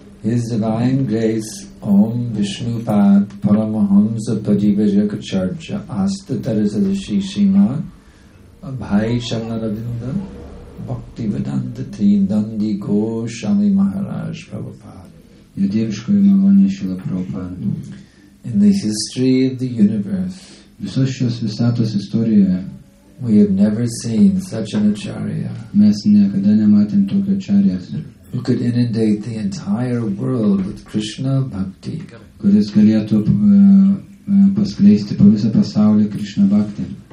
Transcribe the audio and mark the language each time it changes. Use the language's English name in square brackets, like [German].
[English] His divine grace Om Vishnu Pad Paramahamsa Padivajakacharya Astatarasadashi Shima Bhai Shangaravinda Bhakti Vedanta Tri Dandi Goswami Maharaj Prabhupada. In the history of the universe, [Lithuanian] visos šios visatos istorijoje, [English] we have never seen such an acharya. [Lithuanian] Mes niekada nematėm tokio acharyas, [English] who could inundate the entire world with Krishna bhakti. [Lithuanian] Kuris galėtų paskleisti po visą pasaulį Krishna bhakti.